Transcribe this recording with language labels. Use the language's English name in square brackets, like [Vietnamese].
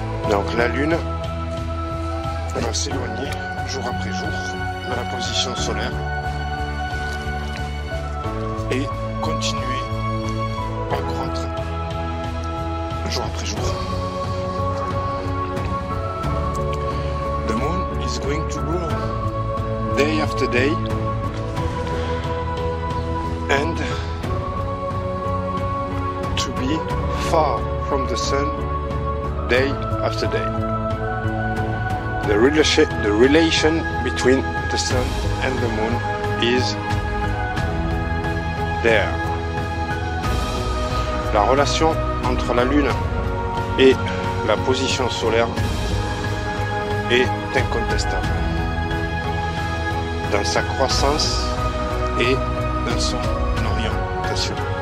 [French] Donc la Lune va s'éloigner jour après jour de la position solaire et continuer à croître jour après jour. [English] The Moon is going to grow day after day and to be far from the Sun day after day. The relation between the sun and the moon is there. [French] La relation entre la lune et la position solaire est incontestable dans sa croissance et dans son orientation.